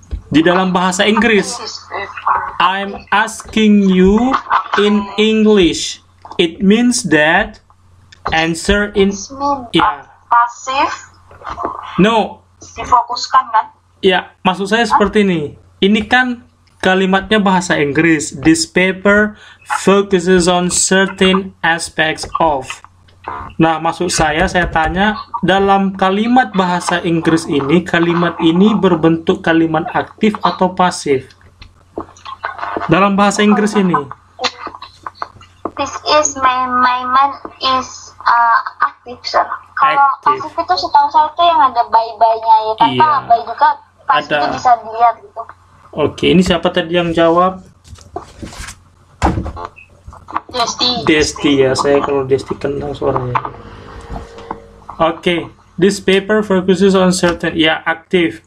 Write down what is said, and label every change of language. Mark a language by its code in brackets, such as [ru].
[id] Di dalam bahasa Inggris, [en] I'm asking you in English. It means that answer in [id] pasif. [en] No. [id] Difokuskan kan? Ya, maksud saya seperti ini. Ini kan kalimatnya bahasa Inggris. [en] This paper focuses on certain aspects of. [id] Nah, maksud saya tanya, dalam kalimat bahasa Inggris ini, kalimat ini berbentuk kalimat aktif atau pasif? Dalam bahasa Inggris ini. [en] This is my mind is aktif, sir. [id] Kalau pasif itu setahu saya itu yang ada by-by-nya ya. Tanpa iya. By juga pasif ada. Itu bisa dilihat gitu. Oke, ini siapa tadi yang jawab? Desti ya, saya kalau Desti kenal suaranya. Oke, [en] this paper focuses on certain, [id] ya aktif.